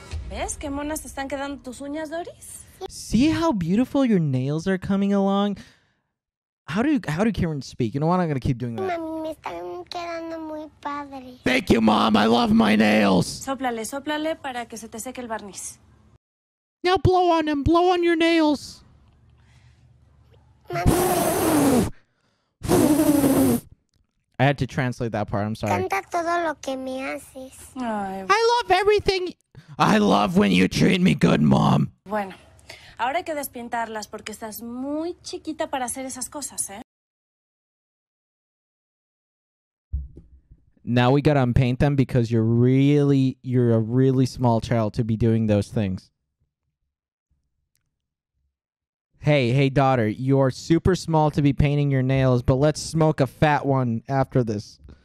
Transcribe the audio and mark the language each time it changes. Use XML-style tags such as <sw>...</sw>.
<es>¿Ves qué monas están quedando tus uñas, Doris?</es> <en>See how beautiful your nails are coming along? How do Karen speak? You know what? I'm gonna keep doing that.</en> <es>Mami, me están quedando muy padres.</es> <en>Thank you, Mom. I love my nails.</en> <es>Sóplale, sóplale para que se te seque el barniz.</es> <en>Now blow on them. Blow on your nails. I had to translate that part. I'm sorry.</en> <es>Canta todo lo que me haces.</es> <en>I love everything. I love when you treat me good, Mom.</en> <es>Bueno. Ahora hay que despintarlas porque estás muy chiquita para hacer esas cosas, ¿eh?</es> <en>Now we gotta unpaint them because you're a really small child to be doing those things. Hey, daughter, you're super small to be painting your nails, but let's smoke a fat one after this.</en>